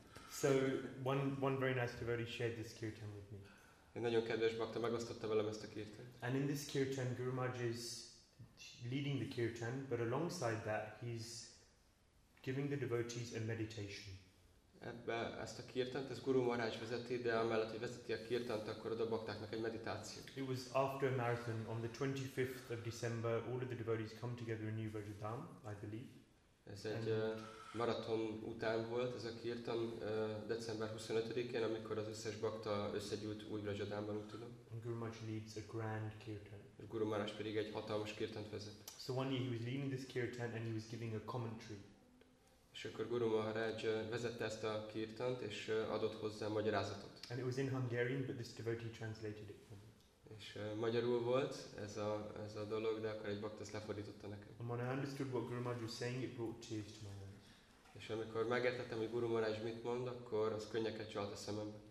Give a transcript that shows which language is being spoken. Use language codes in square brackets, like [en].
[en] So one very nice devotee shared this kirtan with me. [hu] Egy nagyon kedves bakta megosztotta velem ezt a kirtant. [en] And in this kirtan, Guru Maharaj is leading the kirtan, but alongside that, he's giving the devotees a meditation. [hu] Ebben ezt a kirtant, ez Guru Maharaj vezeti, de amellett, hogy vezeti a kirtant, akkor a baktáknak egy meditáció. [en] It was after a marathon on the 25th of December. All of the devotees come together in New Vrindavan, I believe. [hu] Ez egy maraton után volt, ez a kirtan december 25-én, amikor az összes bakta összegyűlt Újvrajadánban, úgy tudom. [en] And Guru Maharaj leads a grand kirtan. [hu] És Guru Maharaj pedig egy hatalmas kirtant vezet. [en] So one day he was leading this kirtan and he was giving a commentary. [hu] És akkor Guru Maharaj vezette ezt a kirtant és adott hozzá magyarázatot. [en] And it was in Hungarian, but this devotee translated it for me. [hu] És magyarul volt ez a dolog, de akkor egy bakta ezt lefordította nekem. [en] And when I understood what Guru Maharaj was saying, it brought tears to my eyes. [hu] És amikor megértettem, hogy Guru Maharaj mit mond, akkor az könnyeket csalt a szemembe.